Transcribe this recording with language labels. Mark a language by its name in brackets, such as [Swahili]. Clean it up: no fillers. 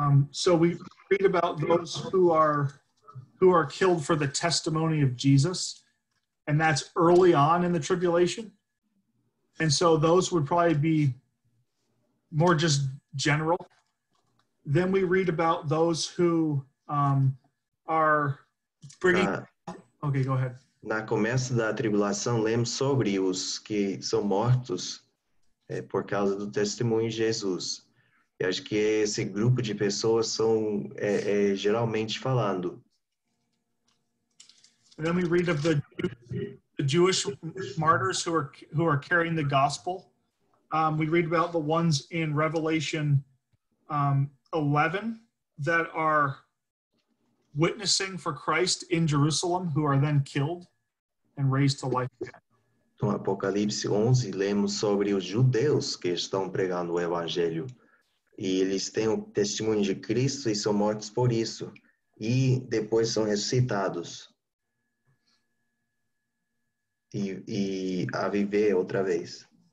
[English] So we read about those who are killed for the testimony of Jesus, and that's early on in the tribulation. And so those would probably be more just general. Then we read about those who are bringing... Okay, go ahead. [Portuguese] Na começo da tribulação, lemos sobre os que são mortos por causa do testemunho de Jesus. E acho que esse grupo de pessoas são geralmente falando. [English] And then we read of the Jewish martyrs who are carrying the gospel. We read about the ones in Revelation 11 that are witnessing for Christ in Jerusalem, who are then killed and raised to life again. [Portuguese] No Apocalipse 11, lemos sobre os judeus que estão pregando o evangelho, e eles têm o testemunho de Cristo e são mortos por isso, e depois são ressuscitados e a viver outra vez.